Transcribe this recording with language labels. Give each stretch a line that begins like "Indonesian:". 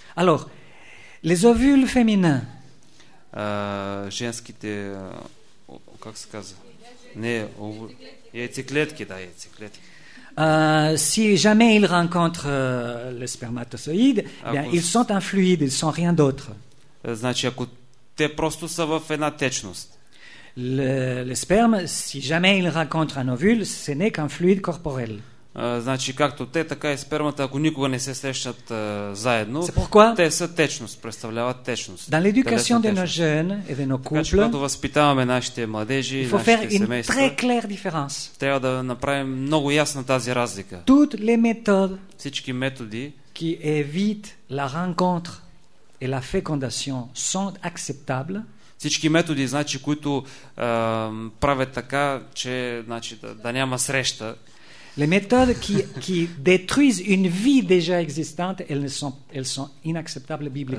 French: Alors, les ovules féminins.
Bulgarian: Женските, как се казва? Не, яйцеклетки, да, яйцеклетки.
French: Si jamais ils rencontrent le spermatozoïde, bien, ils sont un fluide, ils sont rien d'autre.
Bulgarian: Значи, ако те просто са в една течност.
French: Le sperme, si jamais ils rencontrent un ovule, ce n'est qu'un fluide corporel.
Bulgarian: Значи, както те, така и спермата, ако никога не се срещат заедно, те са течност, представляват течност.
French: Dans l'éducation de nos jeunes et de nos couples,
Bulgarian: така, когато възпитаваме нашите младежи,
French: il faut faire
Bulgarian: нашите семейства,
French: une très claire différence.
Bulgarian: Трябва да направим много ясна тази разлика.
French: Toutes les méthodes,
Bulgarian: всички методи,
French: qui évitent la rencontre et la fécondation, sont acceptables.
Bulgarian: Всички методи, значи, които правят така, че, значи, да няма среща.
French: Les méthodes qui détruisent une vie déjà existante, elles sont inacceptables bibliquement.